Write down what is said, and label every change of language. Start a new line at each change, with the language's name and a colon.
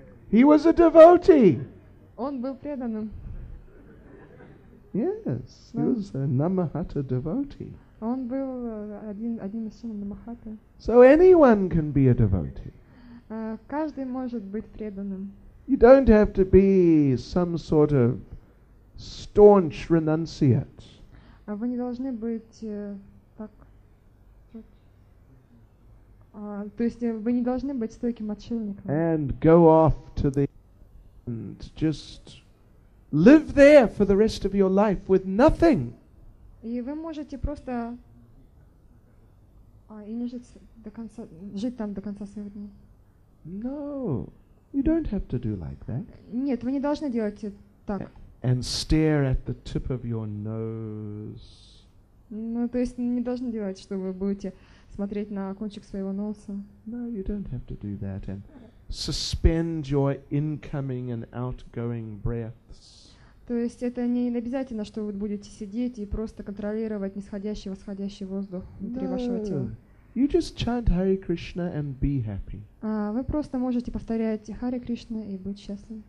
English: He was a devotee.
Russian: Он был преданным.
English: Yes, he was a Namahata devotee.
Russian: Он был один из членов Намахаты.
English: So anyone can be a devotee.
Russian: Каждый может быть преданным.
English: You don't have to be some sort of staunch renunciate.
Russian: А вы не должны быть так. То есть вы не должны быть стойким отшельником.
English: And go off to the and just live there for the rest of your life with nothing.
Russian: И вы можете просто и не жить до конца, жить там до конца своих дней.
English: No, you don't have to do like that.
Russian: Нет, вы не должны делать так.
English: And stare at the tip of your nose.
Russian: Ну, то есть не должны делать, что вы будете смотреть на кончик своего носа.
English: No, you don't have to do that and suspend your incoming and outgoing breaths.
Russian: То есть это не обязательно, что вы будете сидеть и просто контролировать нисходящий, восходящий воздух внутри вашего тела.
English: You just chant Hare Krishna and be happy.
Russian: Вы просто можете повторять Харе Кришна и быть счастливым.